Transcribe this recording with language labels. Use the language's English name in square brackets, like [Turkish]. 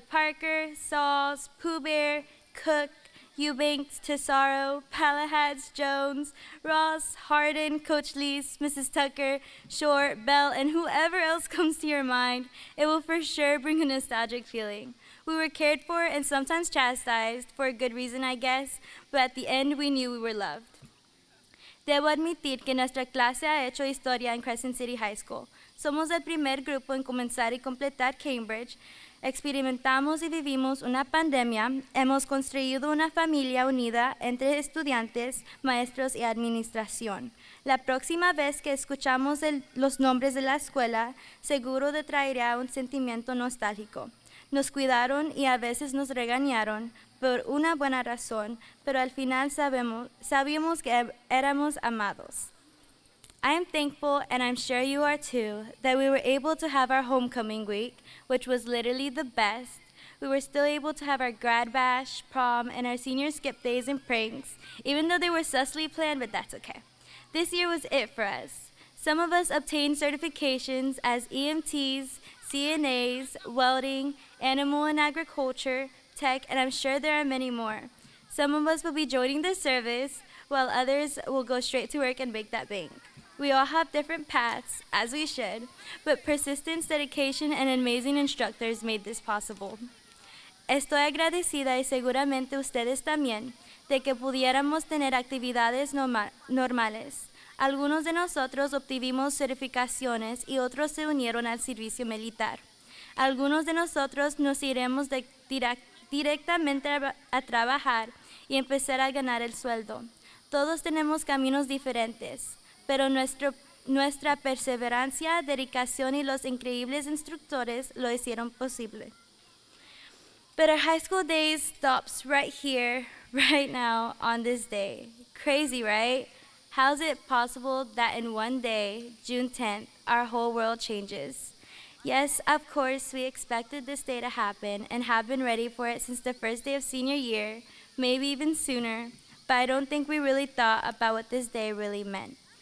[English] Parker, Sauls, Pooh Bear, Cook, Eubanks, Tesoro, Palahads, Jones, Ross, Harden, Coach Lease, Mrs. Tucker, Short, Bell, and whoever else comes to your mind, it will for sure bring a nostalgic feeling. We were cared for and sometimes chastised, for a good reason, I guess, but at the end, we knew we were loved. [Spanish] Debo admitir que nuestra clase ha hecho historia en Crescent City High School. Somos el primer grupo en comenzar y completar Cambridge. Experimentamos y vivimos una pandemia. Hemos construido una familia unida entre estudiantes, maestros y administración. La próxima vez que escuchamos los nombres de la escuela, seguro te traerá un sentimiento nostálgico. Nos cuidaron y a veces nos regañaron por una buena razón, pero al final sabíamos que éramos amados. [English] I am thankful, and I'm sure you are too, that we were able to have our homecoming week, which was literally the best. We were still able to have our grad bash, prom, and our senior skip days and pranks, even though they were susly planned, but that's okay. This year was it for us. Some of us obtained certifications as EMTs, CNAs, welding, animal and agriculture, tech, and I'm sure there are many more. Some of us will be joining the service, while others will go straight to work and make that bank. We all have different paths, as we should, but persistence, dedication, and amazing instructors made this possible. [Spanish] Estoy agradecida y seguramente ustedes también de que pudiéramos tener actividades normales. Algunos de nosotros obtuvimos certificaciones y otros se unieron al servicio militar. Algunos de nosotros nos iremos directamente a trabajar y empezar a ganar el sueldo. Todos tenemos caminos diferentes, pero nuestra perseverancia, dedicación y los increíbles instructores lo hicieron posible. [English] But our high school days stops right here, right now, on this day. Crazy, right? How's it possible that in one day, June 10th, our whole world changes? Yes, of course, we expected this day to happen and have been ready for it since the first day of senior year, maybe even sooner, but I don't think we really thought about what this day really meant.